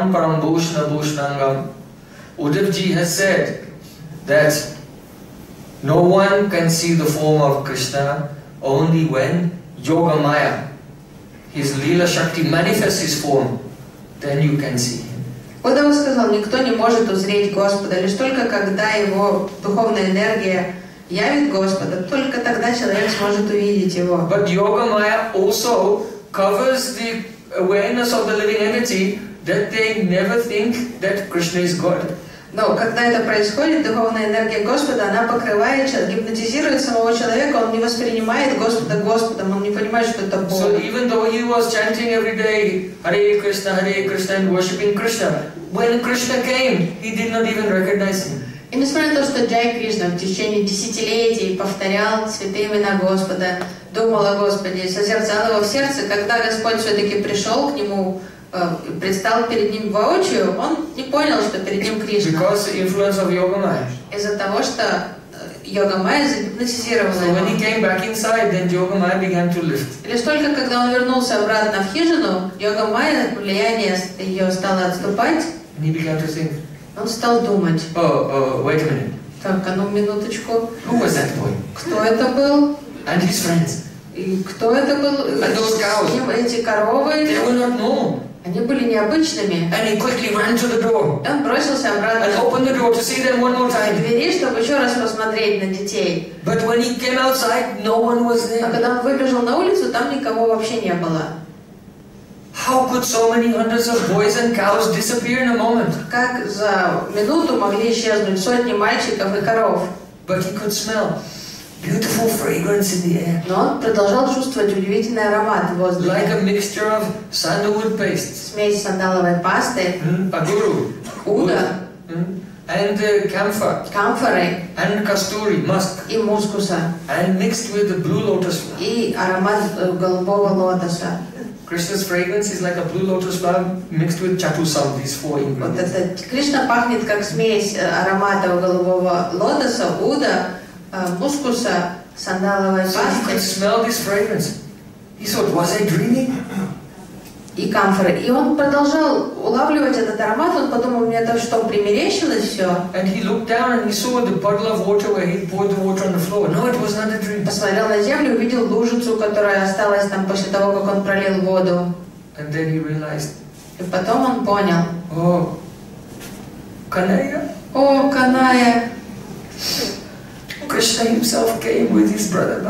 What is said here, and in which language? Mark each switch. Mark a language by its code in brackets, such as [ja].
[en] Uddhav ji has said that no one can see the form of Krishna only when yoga maya, his lila shakti, manifests his form. Then you can see him. [ru] Вот он сказал, никто не может узреть Господа, лишь только когда его духовная энергия явит Господа, только тогда человек сможет увидеть его. [en] But yoga maya also covers the awareness of the living entity that they never think that Krishna is God. [ru] Но когда это происходит, духовная энергия Господа, она покрывает, гипнотизирует самого человека, он не воспринимает Господа Господом, он не понимает, что это Бог. [en] So even though he was chanting every day Hare Krishna and worshipping Krishna, when Krishna came, he did not even recognize him. [ru] И несмотря на то, что Джай Кришна в течение десятилетий повторял святые имена Господа, думал о Господе, созерцал его в сердце, когда Господь все-таки пришел к нему, предстал перед ним воочию, он не понял, что перед ним Кришна. [en] Because the influence of yoga maya. [ru] Из-за того, что йога майя загипнотизировала его. [en] So when he came back inside, then yoga maya began to lift. [ru] Лишь только когда он вернулся обратно в хижину, йога майя, влияние ее стало отступать. [en] And he began to think. [ru] Он стал думать. [en] Wait a minute. [ru] Так, а ну минуточку. [en] Who was that boy? [ru] Кто это был? [en] And his friends. [ru] И кто это был? [en] And those cows. [ru] Эти коровы. [en] They were not known. [ru] Они были необычными. [en] And he quickly ran to the door. [ru] Он бросился обратно. [en] And opened the door to see them one more time. [ru] К двери, чтобы еще раз посмотреть на детей. [en] But when he came outside, no one was there. [ru] А когда он выбежал на улицу, там никого вообще не было. [en] How could so many hundreds of boys and cows disappear in a moment? [ru] Как за минуту могли исчезнуть сотни мальчиков и коров? [en] But he could smell beautiful fragrance in the air. [ru] Но он продолжал чувствовать удивительный аромат в воздухе. [en] Like a mixture of sandalwood paste. [ru] Смесь сандаловой пасты. Агуру. Уда. [en] And camphor. [ru] Камфоры. [en] And kasturi musk. [ru] И мускуса. [en] And mixed with the blue lotus flower. [ru] И аромат голубого лотоса. [en] Krishna's fragrance is like a blue lotus flower mixed with chatusam, these four ingredients. [ru] Вот это Кришна пахнет как смесь ароматов голубого лотоса, уда, мускуса, сандаловой пасты. [en] So he could smell this fragrance. He thought, was I dreaming? [ru] И камфоры. И он продолжал улавливать этот аромат, он подумал, мне это что, примерещилось все? [en] And he looked down and he saw the puddle of water where he poured the water on the floor. No, it was not a dream. [ru] Посмотрел на землю, увидел лужицу, которая осталась там после того, как он пролил воду. And then he realized. И потом он понял. О, Каная. О, Каная. [en] Krishna himself came with his brother.